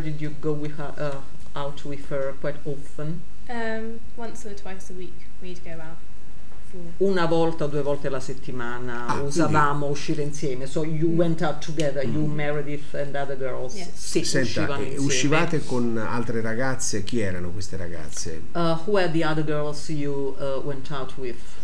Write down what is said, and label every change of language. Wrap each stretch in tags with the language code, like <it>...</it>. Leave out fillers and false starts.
<en>Did you go with her out with her quite often? Once or twice a week we'd go out.</en> <it>una volta o due volte alla settimana usavamo quindi, uscire insieme,</it> <en>so you went out together, you Meredith and other girls. Yes.</en> <it>Sì, senta, uscivate con altre ragazze, chi erano queste ragazze?</it> <en>Who are the other girls you went out with?</en>